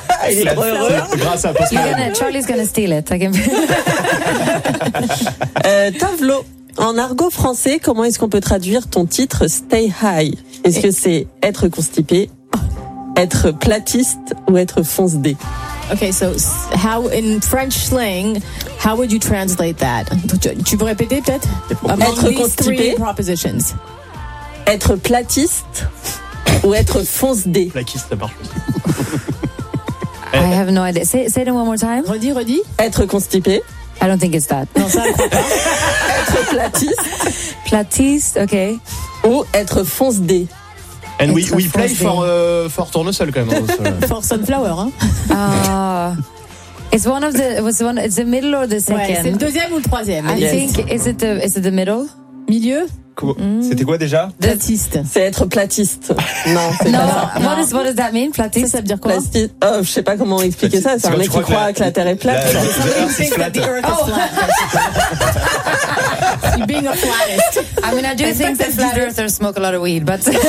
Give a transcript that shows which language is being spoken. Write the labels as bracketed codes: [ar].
[fr] Il est heureux. Grâce à Pascal. [en] Charlie's gonna steal it. [fr] Tovlo. En argot français, comment est-ce qu'on peut traduire ton titre Stay High? Est-ce que c'est être constipé, être platiste ou être foncedé? [en] Okay, so how in French slang, how would you translate that? [fr] Tu peux répéter peut-être? Être constipé, propositions. Être platiste ou être foncedé? Platiste, ça marche. [en] I have no idea. Say it one more time. [fr] Redis. Être constipé. [en] I don't think it's that. [fr] Non, ça, je crois pas. Platiste, ok. Ou être foncedé. [en] And être we play for tournesol [fr] quand même. [en] For sunflower, hein. It's one of the, was one, it's the middle or the second? [fr] Ouais, c'est le deuxième ou le troisième? [en] I think, is it the middle? [fr] Milieu? C'était quoi déjà? Platiste. C'est être platiste. Non, c'est non, pas ça. [en] What does that mean, platiste? [fr] Ça veut dire quoi? Platiste. Oh, je sais pas comment expliquer platiste. Ça. C'est un mec qui croit que la Terre est plate. [en] Somebody who thinks that the Earth is flat. Oh. Si being a flattest. I mean, I do think that flat earthers smoke a lot of weed, but.